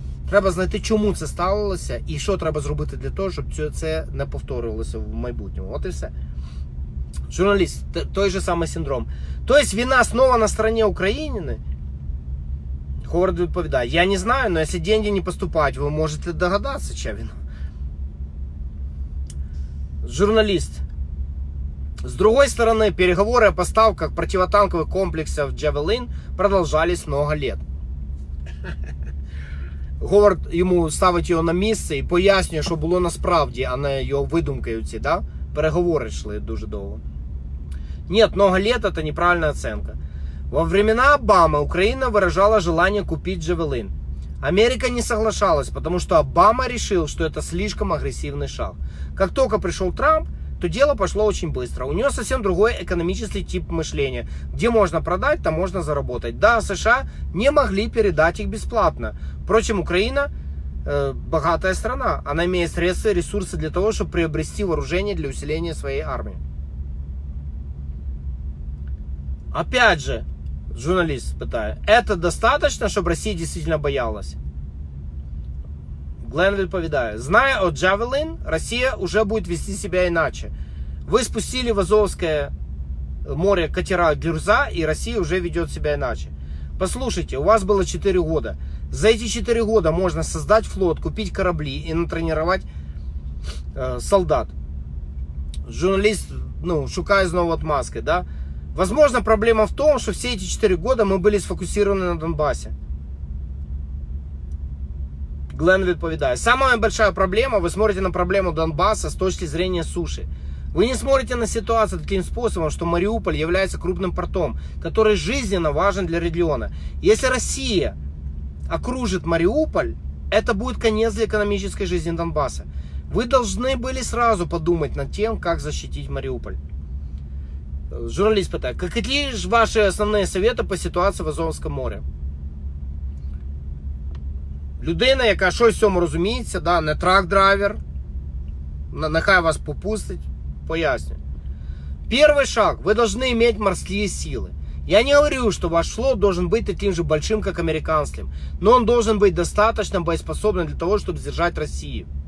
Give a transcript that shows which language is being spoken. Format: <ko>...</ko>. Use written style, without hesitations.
<uk>Треба знайти, чому це сталося, і що треба зробити для того, щоб це не повторювалося в майбутньому. От і все. Журналіст, той же самий синдром. Тобто війна знову на стороні України? Ховард відповідає,</uk> <ru>я не знаю, но если деньги не поступают, вы можете догадаться, чем вино. Журналист. С другой стороны, переговоры о поставках противотанковых комплексов Javelin продолжались много лет. Ховард ему ставит его на место и пояснює, что было насправді, а не его выдумкою ці, да? Переговоры шли дуже довго. Нет, много лет это неправильная оценка. Во времена Обамы Украина выражала желание купить Javelin. Америка не соглашалась, потому что Обама решил, что это слишком агрессивный шаг. Как только пришел Трамп, то дело пошло очень быстро. У него совсем другой экономический тип мышления. Где можно продать, там можно заработать. Да, США не могли передать их бесплатно. Впрочем, Украина богатая страна. Она имеет средства и ресурсы для того, чтобы приобрести вооружение для усиления своей армии.</ru> <uk>Опять же, журналист питає, это достаточно, щоб Росія дійсно боялась? Глен відповідає, зная о Javelin, Росія уже буде вести себе іначе. Ви спустили в Азовське море катера Гюрза, і Росія вже веде себе іначе.</uk> <ru>Послушайте,</ru> <uk>у вас було 4 роки. За ці 4 роки можна создати флот, купити кораблі і натренувати солдат. Журналіст, ну, шукає знову отмазки, да?</uk> <ru>Возможно, проблема в том, что все эти 4 года мы были сфокусированы на Донбассе.</ru> <uk>Глен відповідає.</uk> <ru>Самая большая проблема, вы смотрите на проблему Донбасса с точки зрения суши. Вы не смотрите на ситуацию таким способом, что Мариуполь является крупным портом, который жизненно важен для региона. Если Россия окружит Мариуполь, это будет конец для экономической жизни Донбасса. Вы должны были сразу подумать над тем, как защитить Мариуполь.</ru> <uk>Журналіст питає, які ж ваші основні совети по ситуації в Азовському морі? Людина, яка щось в цьому розуміється, да, не трак-драйвер, нехай вас попустить, пояснює. Перший шаг, ви повинні мати морські сили. Я не говорю, що ваш флот має бути таким же великим, як американським, але він має бути достатньо боєздатним для того, щоб здержати Росію.</uk>